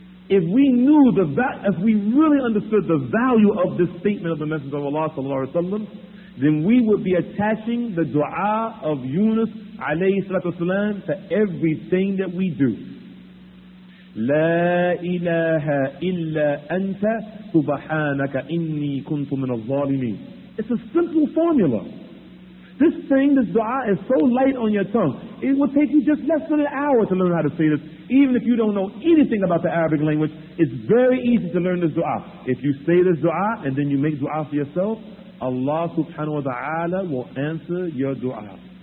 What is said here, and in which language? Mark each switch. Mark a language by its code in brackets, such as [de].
[en] If we knew the if we really understood the value of this statement of the Messenger of Allah sallallahu alaihi wasallam, then we would be attaching the dua of Yunus alayhi salatu wasalam to everything that we do. [ar] لا إله إلا أنت سبحانك إني كنت من الظالمين. [en] It's a simple formula. This thing, this dua, is so light on your tongue. It will take you just less than an hour to learn how to say this. Even if you don't know anything about the Arabic language, it's very easy to learn this dua. If you say this dua and then you make dua for yourself, Allah subhanahu wa ta'ala will answer your dua.